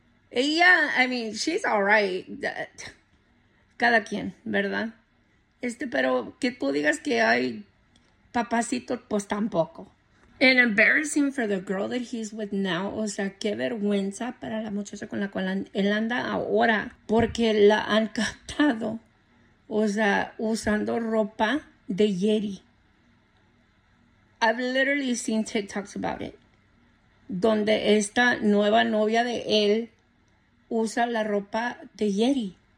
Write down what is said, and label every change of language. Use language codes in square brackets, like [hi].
[en] Ella, I mean, she's all right. [es] Cada quien, ¿verdad? Pero que tú digas que hay papacito, pues tampoco. [en] And embarrassing for the girl that he's with now. [es] O sea, qué vergüenza para la muchacha con la cual él anda ahora. Porque la han captado, o sea, usando ropa de Yeri. [en] I've literally seen TikToks about it. [es] Donde esta nueva novia de él usa la ropa de Yeri.